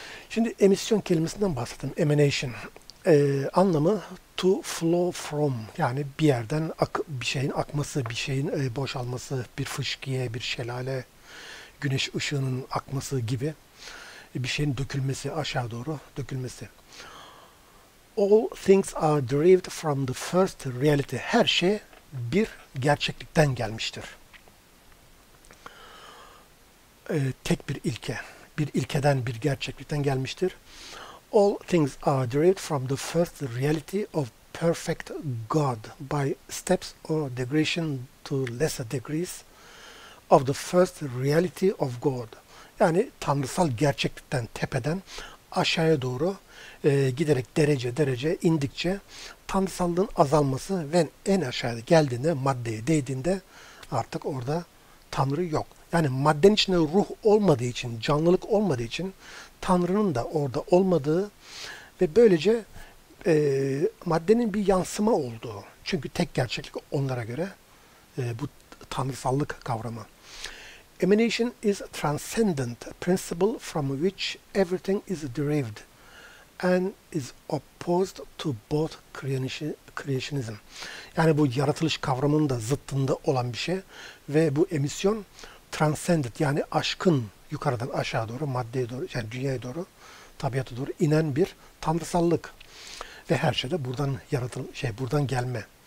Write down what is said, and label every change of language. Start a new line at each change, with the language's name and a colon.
Turkish: Şimdi emisyon kelimesinden bahsettim. Emanation. Anlamı
English: to flow from.
Turkish: Yani bir yerden bir şeyin akması, bir şeyin boşalması, bir fışkiye, bir şelale, güneş ışığının akması gibi bir şeyin dökülmesi, aşağı doğru dökülmesi.
English: All things are derived from the first reality.
Turkish: Her şey bir gerçeklikten gelmiştir. Tek bir ilke. Bir ilkeden, bir gerçeklikten gelmiştir.
English: All things are derived from the first reality of perfect God by steps or degradation to lesser degrees of the first reality of God.
Turkish: Yani tanrısal gerçeklikten, tepeden aşağıya doğru giderek derece derece indikçe tanrısallığın azalması ve en aşağıya geldiğinde, maddeye değdiğinde artık orada tanrı yok. Yani maddenin içinde ruh olmadığı için, canlılık olmadığı için tanrının da orada olmadığı ve böylece maddenin bir yansıma olduğu. Çünkü tek gerçeklik onlara göre bu tanrısallık kavramı.
English: Emanation is a transcendent principle from which everything is derived and is opposed to both creationism.
Turkish: Yani bu yaratılış kavramının da zıttında olan bir şey ve bu emisyon transcendent, yani aşkın yukarıdan aşağı doğru, maddeye doğru, yani dünyaya doğru, tabiata doğru inen bir tanrısallık ve her şey de buradan buradan gelme.